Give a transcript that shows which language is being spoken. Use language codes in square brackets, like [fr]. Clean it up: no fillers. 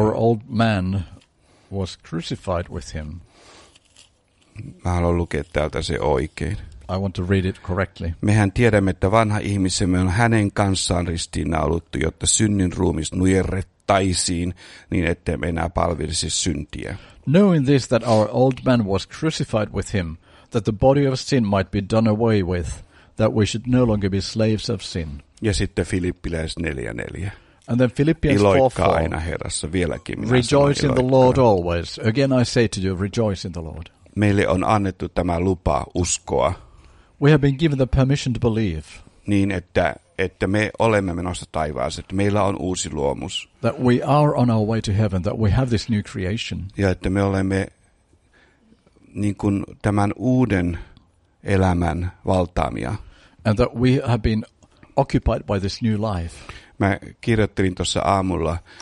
[en] Our old man was crucified with him. [fi] Mä haluan lukea täältä se oikein. [en] I want to read it correctly. [fi] Mehän tiedämme, että vanha ihmisemme on hänen kanssaan ristiinnaulittu, jotta synnin ruumis nujerrettiin. tottaisiin, niin ettei me enää palvelisi syntiä. [en] Knowing this, that our old man was crucified with him, that the body of sin might be done away with, that we should no longer be slaves of sin. [fi] Ja sitten Filippiläis 4:4. [en] And then Philippians 4:4. [fi] Iloikkaa aina Herrassa vieläkin. [en] Rejoice in the Lord always. Again I say to you, rejoice in the Lord. [fi] Meille on annettu tämä lupa uskoa. [en] We have been given the permission to believe. [fi] Niin että me olemme menossa taivaaseen, että meillä on uusi luomus. [en] That we are on our way to heaven, that we have this new creation. [fi] Ja että me olemme niin kuin tämän uuden elämän valtaamia. [en] And that we have been occupied by this new life. [fi] Mä kirjoittelin tuossa aamulla